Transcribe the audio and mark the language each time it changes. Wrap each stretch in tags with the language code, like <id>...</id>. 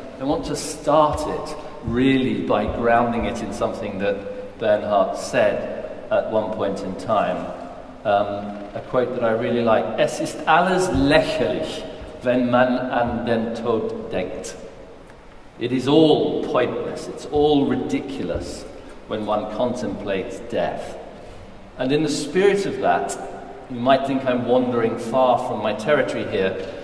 <en>I want to start it really by grounding it in something that Bernhard said at one point in time. A quote that I really like:</en> <de>"Es ist alles lächerlich, wenn man an den Tod denkt."</de> <en>It is all pointless, it's all ridiculous when one contemplates death. And in the spirit of that, you might think I'm wandering far from my territory here.</en>